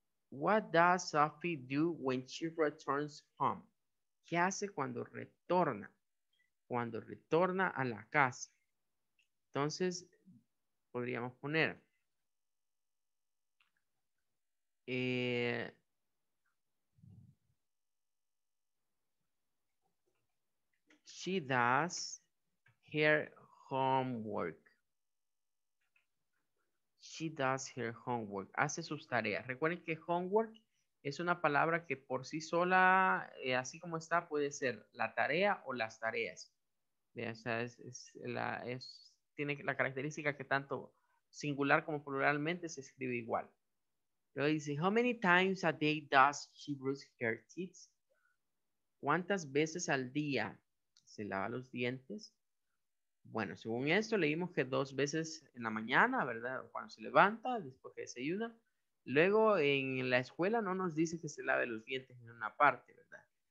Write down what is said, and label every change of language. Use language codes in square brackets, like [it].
[en] What does Sophie do when she returns home? [es] ¿Qué hace cuando retorna? Cuando retorna a la casa. Entonces, podríamos poner, [en] she does her homework. She does her homework. [es] Hace sus tareas. Recuerden que homework es una palabra que por sí sola, así como está, puede ser la tarea o las tareas. Vea, o sea, es tiene la característica que tanto singular como pluralmente se escribe igual. Luego dice, [en] how many times a day does she brush her teeth? [es] ¿Cuántas veces al día se lava los dientes? Bueno, según esto, leímos que dos veces en la mañana, ¿verdad? Cuando se levanta, después que desayuna. Luego, en la escuela no nos dice que se lave los dientes en una parte, ¿verdad?